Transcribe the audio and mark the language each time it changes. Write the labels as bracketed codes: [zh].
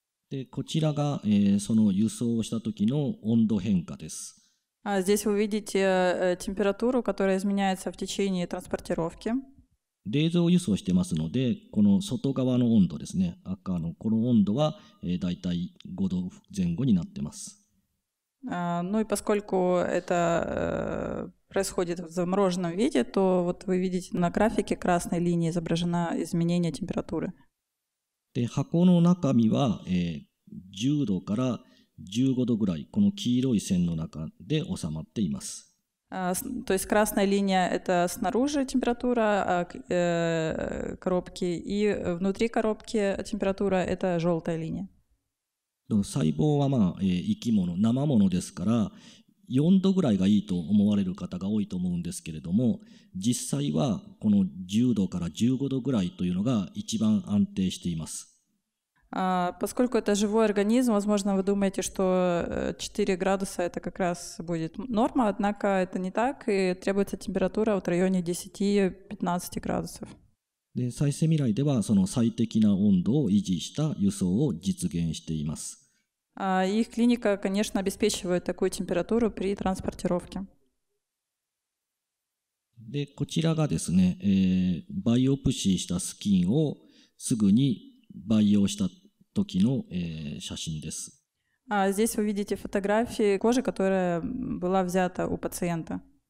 [ja] でこちらが、その輸送した時の温度変化です。 [ru] Здесь вы видите температуру, которая изменяется в течение транспортировки. [ja] 冷蔵輸送してますので、この外側の温度ですね、赤のこの温度は、大体5度前後になってます。 [ru] Ну и поскольку это происходит в замороженном виде, то вот вы видите на графике красной линии изображено изменение температуры. [ja] で箱の中身は、10度から15度ぐらい、この黄色い線の中で収まっています。 [ru] То есть красная линия – это снаружи температура коробки, и внутри коробки температура – это желтая линия. [ja] 細胞は、まあ生き物、生物ですから、4度ぐらいがいいと思われる方が多いと思うんですけれども、実際はこの10度から15度ぐらいというのが一番安定しています。 [ru] Поскольку это живой организм, возможно, вы думаете, что 4 градуса это как раз будет норма, однако это не так, и требуется температура в районе 10-15 градусов. [ja] で、再生未来ではその最適な温度を維持した輸送を実現しています。 [ru] Их клиника, конечно, обеспечивает такую температуру при транспортировке. [ja] で、こちらがですね、バイオプシーしたスキンをすぐに培養した時の、写真です。 [ru] Здесь вы видите фотографии кожи, которая была взята у пациента.